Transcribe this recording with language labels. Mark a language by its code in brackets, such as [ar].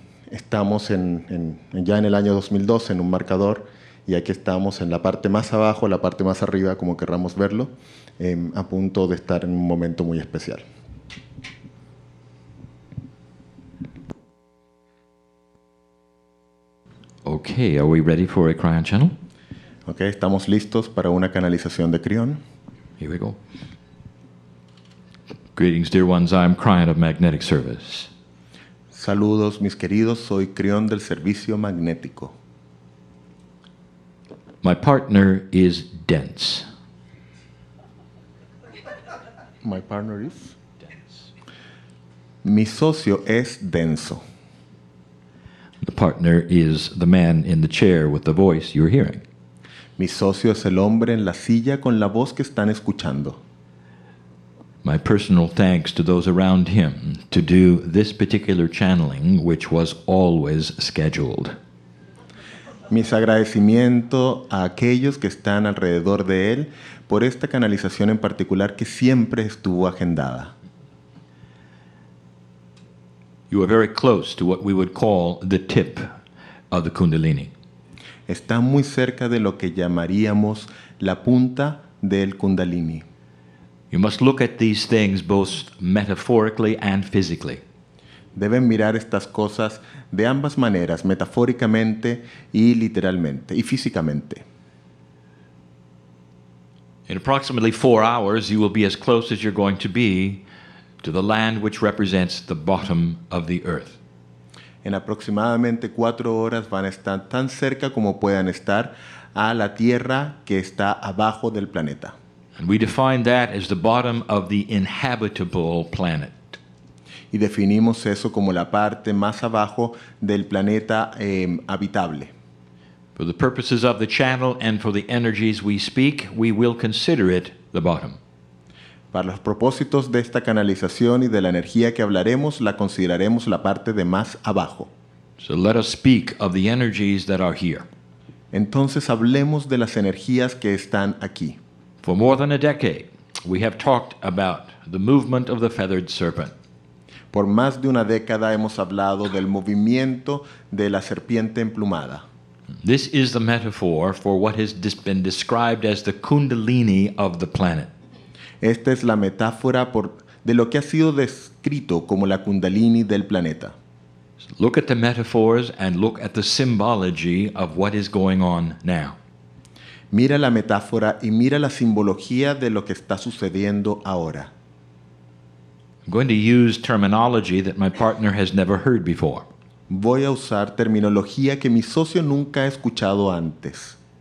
[es] Estamos ya en el año 2012, en un marcador, y aquí estamos en la parte más abajo, la parte más arriba, como querramos verlo, a punto de estar en un momento muy especial. [en] Okay, are we ready for a Cryon channel? [es] Okay, estamos listos para una canalización de Cryon. [en] Here we go. Greetings, dear ones, I'm Cryon of Magnetic Service. [es] Saludos, mis queridos, soy Cryon del Servicio Magnético. [en] My partner is dense. My partner is dense. [es] Mi socio es denso. [en] The partner is the man in the chair with the voice you're hearing. [es] Mi socio es el hombre en la silla con la voz que están escuchando. [en] My personal thanks to those around him to do this particular channeling, which was always scheduled. [es] Mis agradecimientos a aquellos que están alrededor de él por esta canalización en particular que siempre estuvo agendada. [en] You are very close to what we would call the tip of the Kundalini. [es] Está muy cerca de lo que llamaríamos la punta del Kundalini. [en] You must look at these things both metaphorically and physically. [es] Deben mirar estas cosas de ambas maneras, metafóricamente y literalmente, y físicamente. [en] In approximately 4 hours, you will be as close as you're going to be to the land which represents the bottom of the earth. [es] En aproximadamente 4 horas van a estar tan cerca como puedan estar a la tierra que está abajo del planeta. [en] And we define that as the bottom of the inhabitable planet. [es] Y definimos eso como la parte más abajo del planeta habitable. [en] For the purposes of the channel and for the energies we speak, we will consider it the bottom. [es] Para los propósitos de esta canalización y de la energía que hablaremos, la consideraremos la parte de más abajo. [en] So let us speak of the energies that are here. [es] Entonces hablemos de las energías que están aquí. [en] For more than a decade, we have talked about the movement of the feathered serpent. [es] Por más de una década hemos hablado del movimiento de la serpiente emplumada. [en] This is the metaphor for what has been described as the Kundalini of the planet. [es] Esta es la metáfora de lo que ha sido descrito como la Kundalini del planeta. [en] Look at the metaphors and look at the symbology of what is going on now. [es] Mira la metáfora y mira la simbología de lo que está sucediendo ahora. [en] I'm going to use terminology that my partner has never heard before. [es] Voy a usar terminología que mi socio nunca ha escuchado antes.